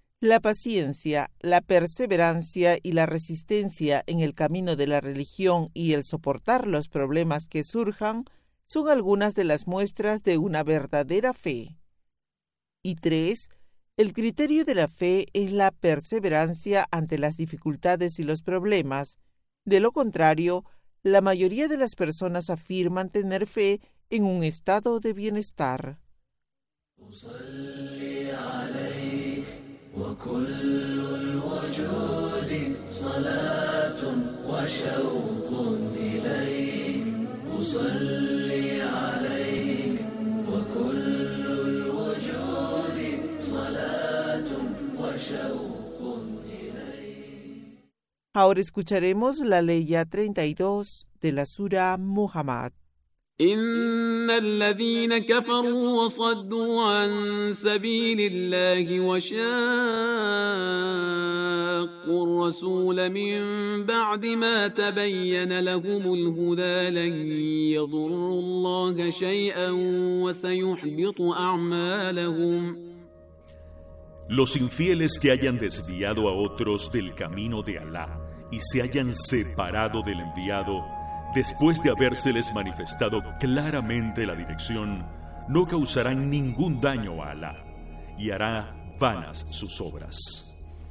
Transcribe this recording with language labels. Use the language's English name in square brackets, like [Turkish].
[Spanish] La paciencia, la perseverancia y la resistencia en el camino de la religión y el soportar los problemas que surjan son algunas de las muestras de una verdadera fe. Y 3. El criterio de la fe es la perseverancia ante las dificultades y los problemas. De lo contrario, la mayoría de las personas afirman tener fe en un estado de bienestar. [Arabic] وكل الوجود صلاة وشوق إليك أصلي عليك وكل الوجود صلاة وشوق إليك. [Spanish] Ahora escucharemos la leya 32 de la sura Muhammad. [Arabic] إن الذين كفروا وصدوا عن سبيل الله وشاقوا شاقوا الرسول من بعد ما تبين لهم الهدى لن يضروا الله شيئا وسيحبط أعمالهم. [Spanish] Los infieles que hayan desviado a otros del camino de Alá y se hayan separado del enviado, después de habérseles manifestado claramente la dirección, no causarán ningún daño a Alá y hará vanas sus obras.